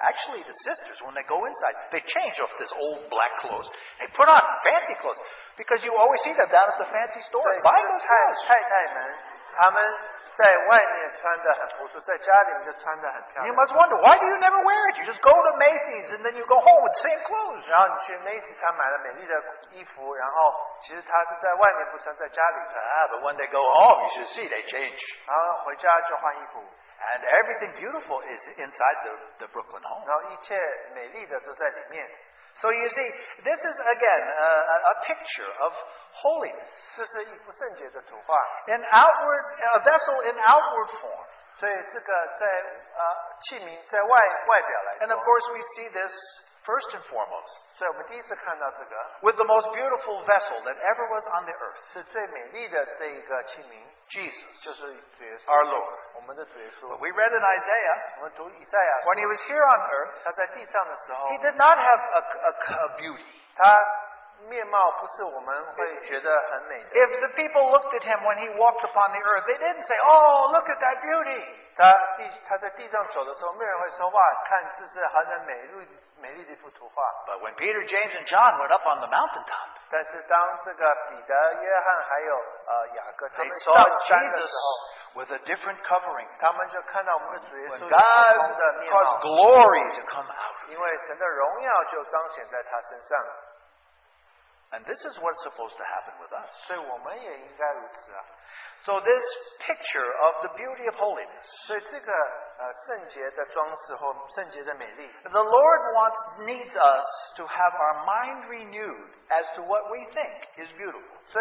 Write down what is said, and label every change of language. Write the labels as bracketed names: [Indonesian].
[English] Actually, the sisters, when they go inside, they change off this old black clothes. They put on fancy clothes because you always see them down at the fancy store buying those clothes. [Chinese] 太太们, 他们在外面穿得很朴素, [English] you must wonder, why do you never wear it? You just go to Macy's and then you go home with the same clothes. [Chinese] 然后你去Macy's,他买了美丽的衣服, 然后其实他是在外面不穿,在家里穿。 [English] But when they go home, you should see, they change. [Chinese] 然后回家就换衣服。 [English] And everything beautiful is inside the Brooklyn home. [Chinese] 然后一切美丽的都在里面。 [English] So you see, this is again a picture of holiness. An outward, a vessel in outward form. [Chinese] 所以这个在, 器皿在外表来说, [English] and of course we see this first and foremost. [Chinese] 所以我们第一次看到这个, [English] with the most beautiful vessel that ever was on the earth. [Chinese] 是最美丽的这一个器皿, [English] Jesus, [Chinese] 就是主耶稣, [English] our Lord. [Chinese] 我们的主耶稣, [English] but we read in Isaiah, [Chinese] 我们读以赛亚书, [English] when he was here on earth, [Chinese] 他在地上的时候, [English] he did not have a beauty. [Chinese] 面貌不是我们会觉得很美的。 [English] If the people looked at him when he walked upon the earth, they didn't say, oh, look at that beauty. [Chinese] 他在地上走的时候, 没人会说, 哇, 看这是好像美丽的一幅图画。 [English] But when Peter, James, and John went up on the mountaintop, [Chinese] 但是当这个彼得、约翰还有, 雅各, [English] they saw Jesus with a different covering. [Chinese] 他们就看到我们的主耶稣有不同的面貌, [English] when God caused glory to come out, [Chinese] 因为神的荣耀就彰显在他身上。 [English] And this is what's supposed to happen with us. [Chinese] 所以我们也应该如此啊。 [English] So this picture of the beauty of holiness. [Chinese] 所以这个, 圣洁的装饰和圣洁的美丽, [English] the Lord wants, needs us to have our mind renewed as to what we think is beautiful.